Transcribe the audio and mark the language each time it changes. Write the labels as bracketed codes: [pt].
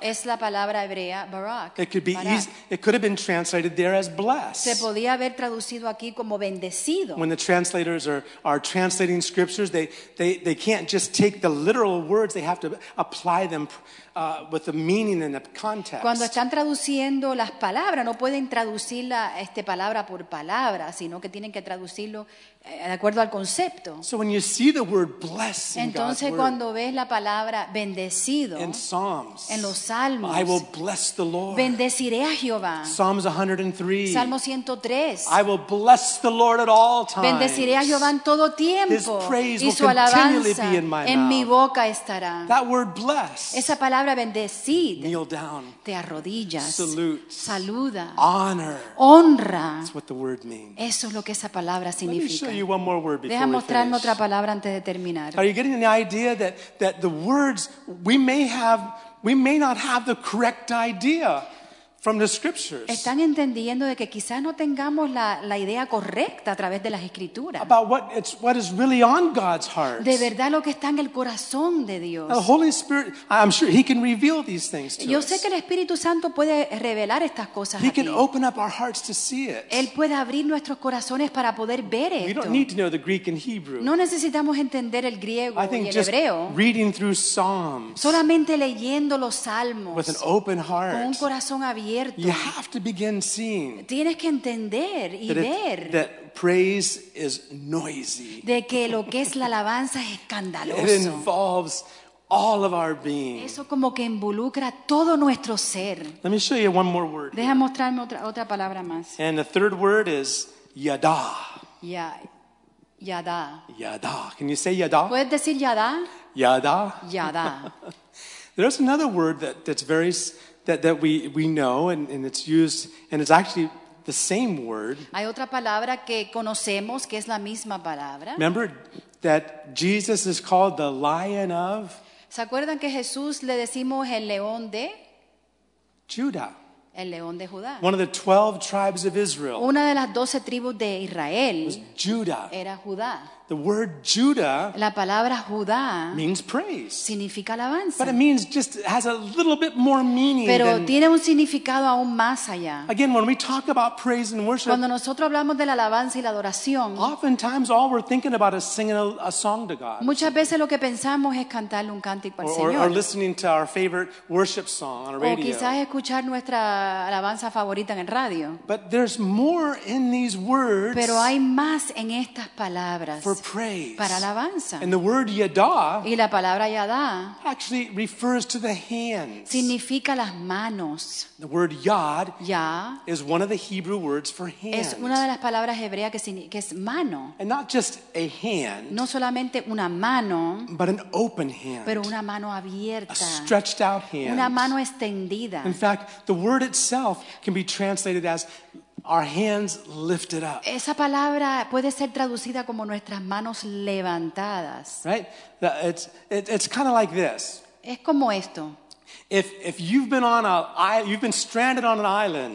[es] Es la palabra hebrea Barak. [en] It could be easy, it could have been translated there as blessed. [es] Se podía haber traducido aquí como bendecido. [en] When the translators are translating scriptures, they can't just take the literal words, they have to apply them with the meaning and the context. [es] Cuando están traduciendo las palabras, no pueden traducirla palabra por palabra, sino que tienen que traducirlo de acuerdo al concepto. [en] So when you see the word blessing, [es] entonces [en] God's [es] cuando [en] word, [es] ves la palabra bendecido [en] in Psalms, [es] en los Salmos, [en] I will bless the Lord. [es] Bendeciré a Jehová. [en] Psalms 103. [es] Salmo 103. [en] I will bless the Lord at all times. [es] Bendeciré a Jehová en todo tiempo. [en] His praise [es] y su [en] will continually be in my [es] en [en] mouth. [es] Mi boca estará. [en] That word bless. [es] Esa palabra bendecid. [en] Kneel down. [es] Te arrodillas. [en] Salute. [es] Saluda. [en] Honor. [es] Honra. [en] That's what the word means. [es] Eso es lo que esa palabra significa. [en] Let me show you one more word before we finish. [es] Deja mostrarme otra palabra antes de terminar. [en] Are you getting the idea that the words we may not have the correct idea from the scriptures? [es] Están entendiendo de que quizás no tengamos la idea correcta a través de las escrituras. [en] About what is really on God's heart. [es] De verdad lo que está en el corazón de Dios. [en] The Holy Spirit, I'm sure he can reveal these things to us. [es] Yo sé que el Espíritu Santo puede revelar estas cosas. [en] He can open up our hearts to see it. [es] Él puede abrir nuestros corazones para poder ver esto. [en] We don't need to know the Greek and Hebrew. [es] No necesitamos entender el griego y el hebreo. [en] Reading through Psalms. [es] Solamente leyendo los Salmos. [en] With an open heart. [es] Con un corazón abierto. [en] You have to begin seeing. [es] Tienes que entender y ver. [en] That praise is noisy. [es] De que lo que es la alabanza es escandaloso. [en] It involves all of our being. [es] Eso como que involucra todo nuestro ser. [en] Let me show you one more word. [es] Deja mostrarme otra palabra más. [en] And the third word is yada. [es] Yada. [en] Yada. Can you say yada? [es] ¿Puedes decir yada? [en] Yada. [es] Yada. [en] There's another word that's very that we know and it's used and it's actually the same word. [es] Hay otra palabra que conocemos que es la misma palabra. [en] Remember that Jesus is called the Lion of. [es] ¿Se acuerdan que Jesús le decimos el León de [en] Judah? [es] El León de Judá. [en] One of the 12 tribes of Israel. [es] Una de las 12 tribus de Israel. [en] Was Judah. [es] Era Judá. [en] The word Judah, [es] la palabra Judá, [en] means praise. [es] Significa alabanza. [en] But it means just has a little bit more meaning. [es] Pero [en] than, [es] tiene un significado aún más allá. [en] Again, when we talk about praise and worship, [es] cuando nosotros hablamos de la alabanza y la adoración, [en] oftentimes all we're thinking about is singing a song to God. [es] Muchas veces lo que pensamos es cantarle un cántico al Señor. [en] Or listening to our favorite worship song on a radio. [es] O quizás escuchar nuestra alabanza favorita en el radio. [en] But there's more in these words. [es] Pero hay más en estas palabras. [en] For praise. [es] Para alabanza. [en] And the word yada, [es] y la palabra yada, [en] actually refers to the hands. [es] Significa las manos. [en] The word yad, yah, is one of the Hebrew words for hand. [es] Es una de las palabras hebreas que es mano. [en] And not just a hand, [es] no solamente una mano, [en] but an open hand, [es] pero una mano abierta, [en] a stretched out hand, [es] una mano extendida. [en] In fact, the word itself can be translated as our hands lifted up. [es] Esa palabra puede ser traducida como nuestras manos levantadas. [en] Right? It's kind of like this. [es] Es como esto. [en] If you've been on you've been stranded on an island.